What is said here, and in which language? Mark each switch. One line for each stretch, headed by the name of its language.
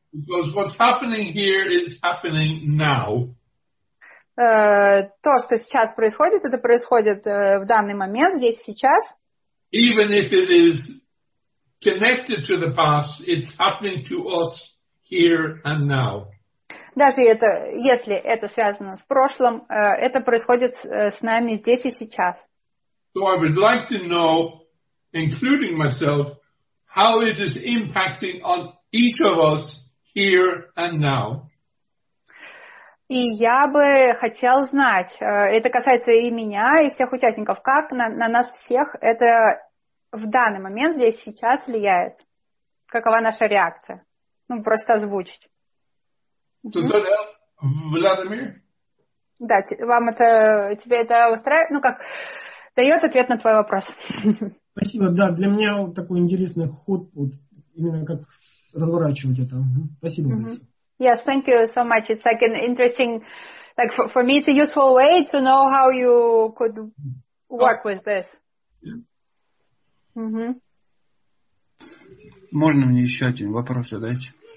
English: Because what's happening here is happening now.
Russian: То, что сейчас происходит, это происходит в данный момент, здесь, сейчас.
English: Even if it is connected to the past, it's happening to us here and now.
Russian: Даже это, если это связано с прошлым, это происходит с нами здесь и сейчас.
English: So I would like to know, including myself, how it is impacting on each of us here and now.
Russian: И я бы хотел знать, это касается и меня, и всех участников, как на нас всех это в данный момент здесь сейчас влияет? Какова наша реакция? Ну, просто озвучить.
English: Does that help, Vladimir?
Russian: Да, вам это, тебе это устраивает? Ну, как, дает ответ на твой вопрос. Спасибо, да, для меня такой интересный ход, вот, именно как разворачивать это. Спасибо большое.
English: Yes, thank you so much. It's like an interesting, like for me, it's a useful way to know how you could work with this.
Russian: Можно мне еще один вопрос задать?